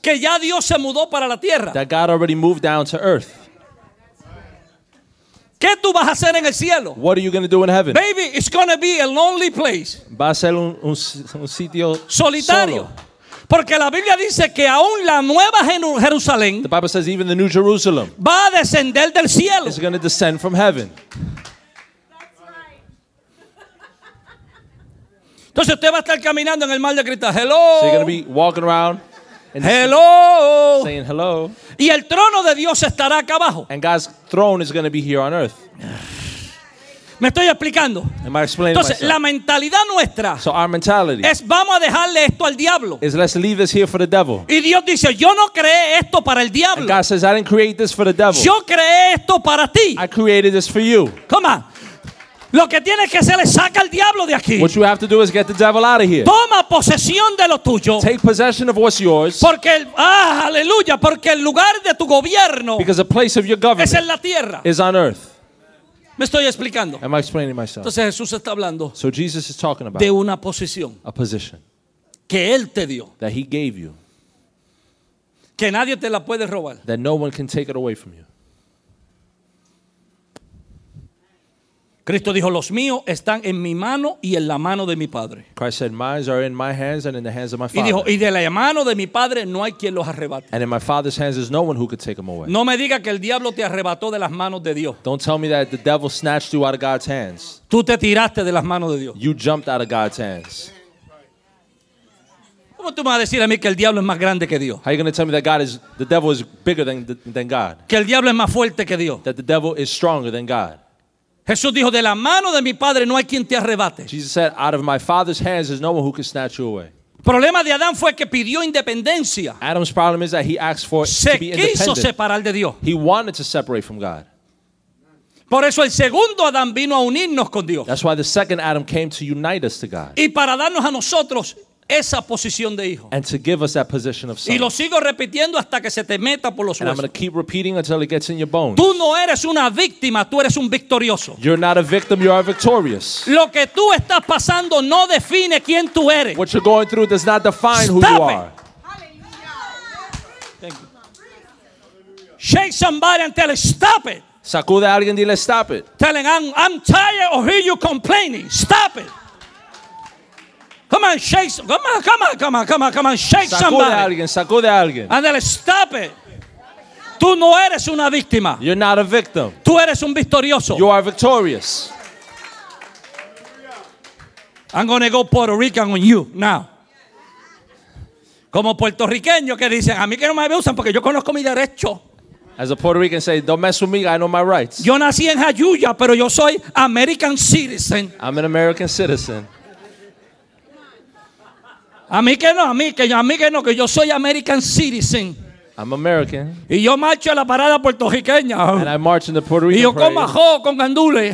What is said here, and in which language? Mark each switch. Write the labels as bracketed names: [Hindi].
[Spanish] que ya Dios se mudó para la tierra, [English] that God already moved down to earth. [Spanish] ¿Qué tú vas a hacer en el cielo? [English] What are you going to do in heaven? Baby, it's going to be a lonely place. [Spanish] Va a ser un sitio solitario. Solo. Porque la Biblia dice que aún la nueva Jerusalén, [English] the Bible says even the new Jerusalem, [Spanish] va a descender del cielo. [English] Is going to descend from heaven. That's right. [Spanish] Entonces usted va a estar caminando en el mar de cristal. [English] Hello. So you're going to be walking around. Hello. Saying hello. [Spanish] Y el trono de Dios estará acá abajo. [English] And God's throne is going to be here on earth. [Spanish] Me estoy explicando. [English] Am I explaining [Spanish] Entonces, [English] myself? [Spanish] La mentalidad nuestra, [English] so our mentality, [Spanish] es vamos a dejarle esto al diablo. [English] Is let's leave this here for the devil. [Spanish] Y Dios dice, yo no creé esto para el diablo. [English] And God says, I didn't create this for the devil. [Spanish] Yo creé esto para ti. [English] I created this for you. Come on. [Spanish] Lo que tienes que hacer es saca al diablo de aquí. [English] What you have to do is get the devil out of here. [Spanish] Toma posesión de lo tuyo. [English] Take possession of what's yours. [Spanish] Porque aleluya, porque el lugar de tu gobierno, [English] because the place of your government, [Spanish] es en la tierra. [English] Is on earth. [Spanish] Me estoy explicando. [English] Am I explaining myself? [Spanish] Entonces Jesús está hablando. [English] So Jesus is talking about [Spanish] de una posición. [English] A position. [Spanish] Que él te dio. [English] That he gave you. [Spanish] Que nadie te la puede robar. [English] That no one can take it away from you. [Spanish] Cristo dijo, los míos están en mi mano y en la mano de mi Padre. [English] Christ said, mine are in my hands and in the hands of my Father. [Spanish] Y dijo, y de la mano de mi Padre no hay quien los arrebate. [English] And in my Father's hands there's no one who could take them away. [Spanish] No me diga que el diablo te arrebató de las manos de Dios. [English] Don't tell me that the devil snatched you out of God's hands. [Spanish] Tú te tiraste de las manos de Dios. [English] You jumped out of God's hands. [Spanish] ¿Cómo tú me vas a decir a mí que el diablo es más grande que Dios? [English] How are you going to tell me that God is, the devil is bigger than God? [Spanish] Que el diablo es más fuerte que Dios. [English] That the devil is stronger than God. [Spanish] Jesús dijo, de la mano de mi Padre no hay quien te arrebate. [English] Jesus said, out of my Father's hands there's no one who can snatch you away. [Spanish] Problema de Adán fue que pidió independencia. [English] Adam's problem is that he asked for [Spanish] se [English] to be [Spanish] quiso [English] independent. [Spanish] Separar de Dios. [English] He wanted to separate from God. [Spanish] Por eso el segundo Adán vino a unirnos con Dios. [English] That's why the second Adam came to unite us to God. [Spanish] Y para darnos a nosotros esa posición de hijo. [English] And to give us that position of son. [Spanish] Y lo sigo repitiendo hasta que se te meta por los huesos. [English] And I'm going to keep repeating until it gets in your bones. [Spanish] Tú no eres una víctima, tú eres un victorioso. [English] You're not a victim, you are victorious. [Spanish] Lo que tú estás pasando no define quién tú eres. [English] What you're going through does not define Stop who you it. Are. Thank you. Shake somebody and tell them, stop it. [Spanish] Sacude a alguien y dile, [English] stop it. Tell them, I'm tired of hearing you complaining. Stop it. Come on, shake. Come on. Shake somebody. [Spanish] Sacude a alguien. [English] And then stop it. [Spanish] Tú no eres una víctima. [English] You're not a victim. [Spanish] Tú eres un victorioso. [English] You are victorious. I'm going to go Puerto Rican on you now. [Spanish] Como puertorriqueños que dicen, a mí que no me usan porque yo conozco mi derecho. [English] As a Puerto Rican say, don't mess with me, I know my rights. [Spanish] Yo nací en Jayuya, pero yo soy [English] American citizen. I'm an American citizen. [Spanish] A mí que no, que yo soy [English] American citizen. I'm American. [Spanish] Y yo marcho a la parada puertorriqueña. [English] And I march in the Puerto Rican [Spanish] Y yo como ajo con gandules.